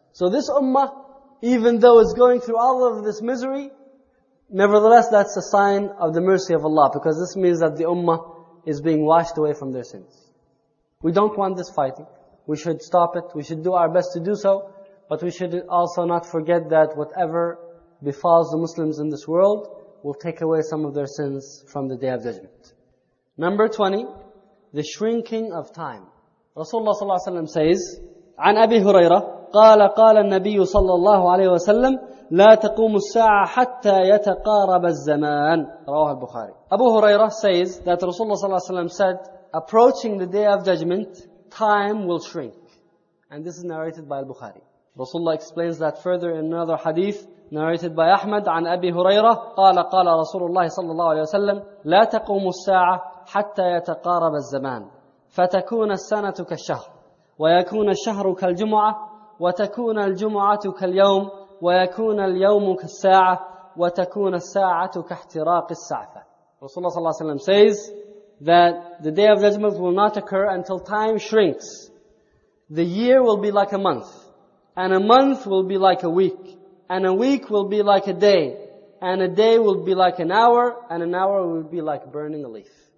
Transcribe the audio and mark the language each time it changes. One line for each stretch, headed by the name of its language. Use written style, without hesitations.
English: So this ummah, even though it's going through all of this misery, nevertheless that's a sign of the mercy of Allah, because this means that the ummah is being washed away from their sins. We don't want this fighting. We should stop it. We should do our best to do so. But we should also not forget that whatever befalls the Muslims in this world will take away some of their sins from the Day of Judgment. Number 20, the shrinking of time. Rasulullah sallallahu alaihi wasallam says,
Arabic: عن أبي هريرة قال قال النبي صلى الله عليه وسلم لا تقوم الساعة حتى يتقارب الزمان. رواه البخاري.
English: Abu Huraira says that Rasulullah sallallahu alaihi wasallam said, approaching the Day of Judgment, time will shrink. And this is narrated by al-Bukhari. Rasulullah explains that further in another hadith narrated by Ahmad
Arabic: عن أبي هريرة قال قال رسول الله صلى الله عليه وسلم لا تقوم الساعة حتى يتقارب الزمان فتكون السنة كالشهر ويكون الشهر كالجمعة وتكون الجمعة كاليوم ويكون اليوم كالساعة وتكون الساعة كاحتراق السعفة.
English: Rasulullah صلى الله عليه وسلم says that the Day of Judgment will not occur until time shrinks. The year will be like a month. And a month will be like a week. And a week will be like a day. And a day will be like an hour. And an hour will be like burning a leaf.